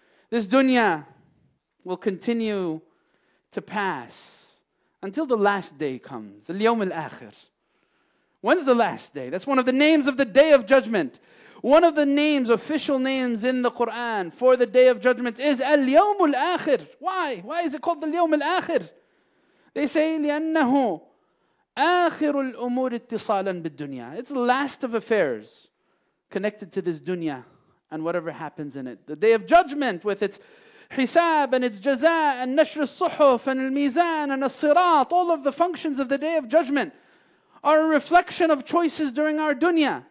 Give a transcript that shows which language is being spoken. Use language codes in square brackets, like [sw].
[en] This dunya will continue to pass until the last day comes. اليوم الآخر. When's the last day? That's one of the names of the Day of Judgment. One of the names, official names in the Quran for the Day of Judgment is اليوم الآخر. Why? Why is it called اليوم الآخر? They say [ar] لأنه آخر الأمور اتصالا بالدنيا. [en] It's the last of affairs connected to this dunya and whatever happens in it. The Day of Judgment with its حساب and its جزاء and نشر الصحف and الميزان and الصراط, all of the functions of the Day of Judgment are a reflection of choices during our dunya.